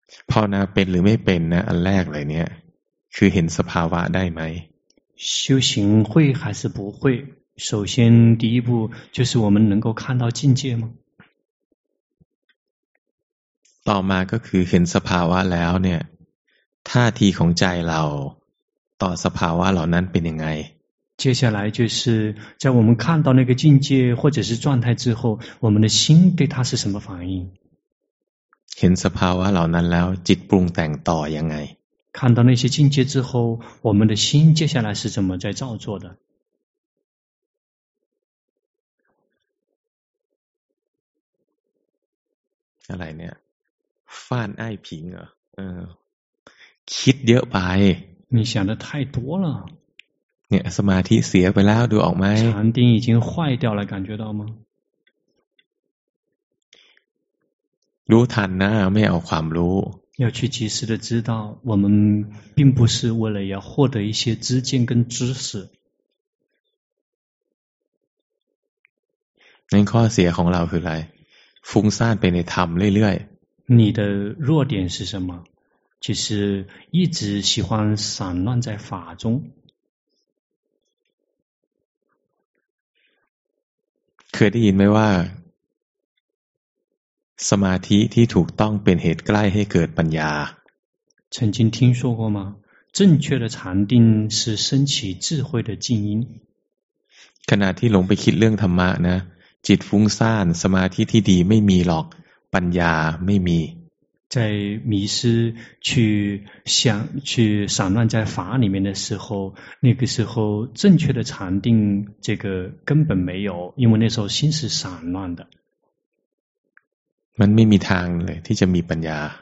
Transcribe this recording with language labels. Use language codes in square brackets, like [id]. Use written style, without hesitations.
[th] ภาวนาเป็นหรือไม่เป็นนะอันแรกเลยเนี่ยคือเห็นสภาวะได้ไหม [zh] 修行会还是不会首先第一步就是我们能够看到境界吗 [th] ต่อมาก็คือเห็นสภาวะแล้วเนี่ยท่าทีของใจเราต่อสภาวะเหล่านั้นเป็นยังไง [zh] 接下来就是在我们看到那个境界或者是状态之后我们的心对它是什么反应 [th] เห็นสภาวะเหล่านั้นแล้วจิตปรุงแต่งต่อยังไง [zh] 看到那些境界之后我们的心接下来是怎么在造作的 [th] อะไรเนี่ยฟ่านอ้ายผิงเหรอคิดเยอะไป [zh] 你想的太多了 [th] เนี่ยสมาธิเสียไปแล้วดูออกไหม [zh] 禅定已经坏掉了感觉到吗 [th] รู้ทันนะไม่เอาความรู้ [zh] 要去及时的知道我们并不是为了要获得一些知见跟知识 [th] นั่นข้อเสียของเราคืออะไรฟุ้งซ่านไปในธรรมเรื่อยๆ [zh] 你的弱点是什么？就是一直喜欢散乱在法中。 [th] เคยได้ยินไหมว่าสมาธิที่ถูกต้องเป็นเหตุใกล้ให้เกิดปัญญา [zh] 曾经听说过吗？正确的禅定是升起智慧的静音。 [th] ขณะที่หลงไปคิดเรื่องธรรมะนะจิตฟุ้งซ่านสมาธิที่ดีไม่มีหรอกปัญญาไม่มี [zh] 在迷失去想去散乱在法里面的时候那个时候正确的禅定这个根本没有因为那时候心是散乱的 [th] มันไม่มีทางเลยที่จะมีปัญญา